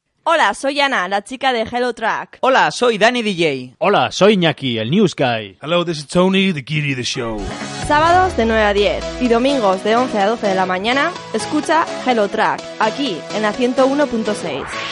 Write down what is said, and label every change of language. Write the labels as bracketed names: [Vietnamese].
[Spanish] Hola, soy Ana, la chica de Hello Track. Hola, soy Dani DJ. Hola, soy Iñaki, el news guy. [English] Hello, this is Tony, the giddy of the show. [Spanish] Sábados de 9 a 10 y domingos de 11 a 12 de la mañana, escucha Hello Track, aquí en la 101.6.